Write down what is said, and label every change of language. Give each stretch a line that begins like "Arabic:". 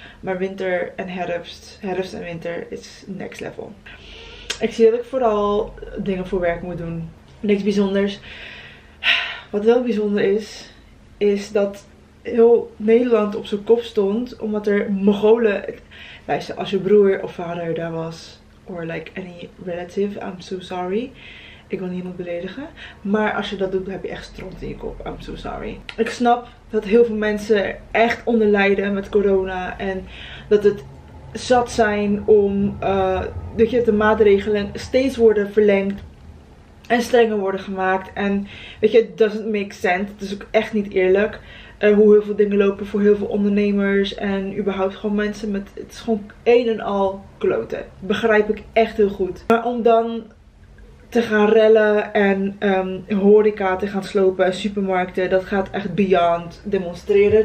Dutch: Maar winter en herfst. Herfst en winter is next level. Ik zie dat ik vooral dingen voor werk moet doen. Niks bijzonders. Wat wel bijzonder is, is dat heel Nederland op zijn kop stond. Omdat er Mongolen... Luister, als je broer of vader daar was.
English: Or like any relative, I'm so sorry.
Dutch: Ik wil niemand beledigen. Maar als je dat doet, heb je echt stront in je kop.
English: I'm so sorry.
Dutch: Ik snap dat heel veel mensen echt onder lijden met corona. En dat het zat zijn om dat je de maatregelen steeds worden verlengd. En strenger worden gemaakt. En weet je,
English: it doesn't make sense.
Dutch: Het is ook echt niet eerlijk. Hoe heel veel dingen lopen voor heel veel ondernemers. En überhaupt gewoon mensen met... Het is gewoon een en al kloten. Begrijp ik echt heel goed. Maar om dan... te gaan rellen en horeca te gaan slopen, supermarkten, dat gaat echt beyond demonstreren.